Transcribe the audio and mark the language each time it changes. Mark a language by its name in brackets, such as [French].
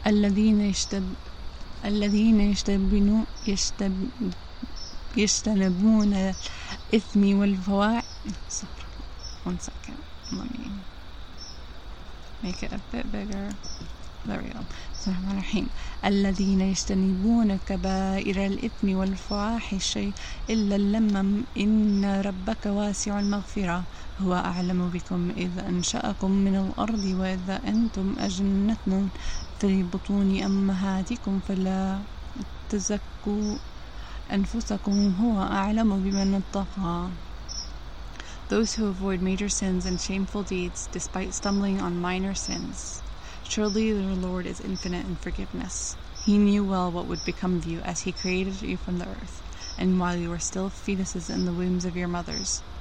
[Arabic] الَّذِينَ يَشْتَنَبُونَ إِثْمِ وَالْفَوَاعِ. [English] One second, let me make it a bit bigger. There we go. [Arabic] بسم الله الرحمن الرحيم. الذين يجتنبون كبائر الإثم والفواحش إلا اللمم إن ربك واسع المغفرة هو أعلم بكم إذ أنشأكم من الأرض وإذا أنتم أجنة في بطون أمهاتكم فلا تزكوا أنفسكم هو أعلم بمن اتقى. [English] Those who avoid major sins and shameful deeds despite stumbling on minor sins, surely your Lord is infinite in forgiveness. He knew well what would become of you as He created you from the earth, and while you were still fetuses in the wombs of your mothers.